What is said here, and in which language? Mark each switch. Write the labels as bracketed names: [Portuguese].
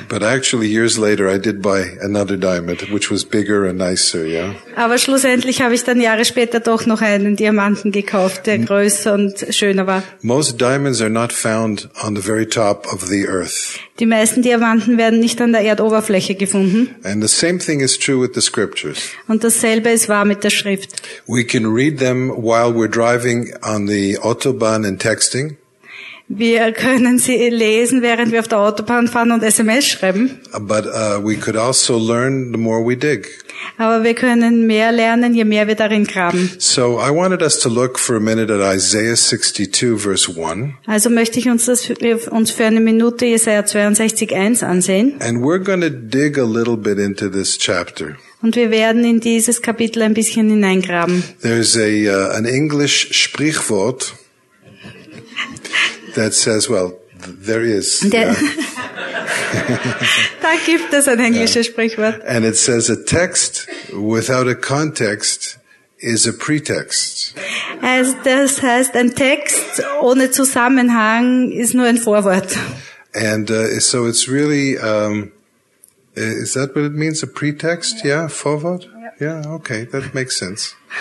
[English] But actually years later I did buy another diamond, which was bigger and nicer, yeah. [German] Aber schlussendlich habe ich dann Jahre später doch noch einen Diamanten gekauft, der größer und schöner war. [English] Most diamonds are not found on the very top of the earth. [German] Die meisten Diamanten werden nicht an der Erdoberfläche gefunden. [English] And the same thing is true with the scriptures. [German] Und dasselbe ist wahr mit der Schrift. [English] We can read them while we're driving on the Autobahn and texting. [German] Wir können sie lesen, während wir auf der Autobahn fahren und SMS schreiben. [English] But we could also learn the more we dig. [German] Aber wir können mehr lernen, je mehr wir darin graben. [English] So I wanted us to look for a minute at Isaiah 62 verse 1. [German] Also möchte ich uns für eine Minute Jesaja 62:1 ansehen. [English] And we're going to dig a little bit into this chapter. [German] Und wir werden in dieses Kapitel ein bisschen hineingraben. [English] There's an English Sprichwort. That says, well, there is. Yeah. [German] Da gibt es ein englisches Sprichwort. [English] And it says, a text without a context is a pretext. [German] Also das heißt, ein Text ohne Zusammenhang ist nur ein Vorwort. [English] And so it's really, is that what it means, a pretext? Yeah, Vorwort? Yeah, okay, that makes sense.